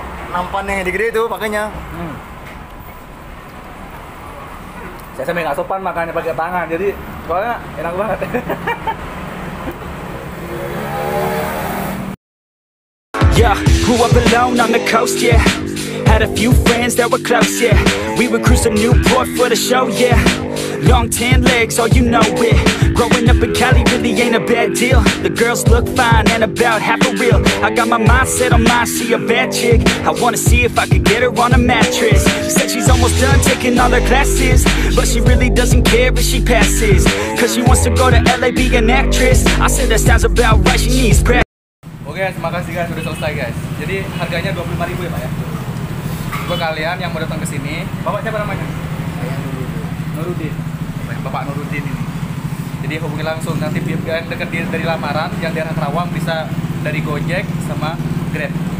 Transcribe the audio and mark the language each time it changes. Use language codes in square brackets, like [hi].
[id] Nampan yang gede itu pakainya. Saya sampe nggak sopan makannya pakai tangan, jadi soalnya enak banget. [en] Yeah, grew up alone on the coast, yeah. Had a few friends that were close, yeah. We would cruise to Newport for the show, yeah. Long tan legs, oh you know it. Growing up in Cali really ain't a bad deal. The girls look fine and about half a real. I got my mind set on mine, she a bad chick. I wanna see if I could get her on a mattress. Said she's almost done taking all her classes, but she really doesn't care if she passes, cause she wants to go to LA be an actress. I said that sounds about right, she needs practice. [id] Oke, okay, terima kasih guys, sudah selesai guys. Jadi harganya 25.000 ya pak ya. Buat kalian yang mau datang ke sini, bapak siapa namanya? Nurudin, Bapak Nurudin ini. Jadi hubungi langsung nanti biar dekat dari lamaran yang di arah Kerawang bisa dari Gojek sama Grab.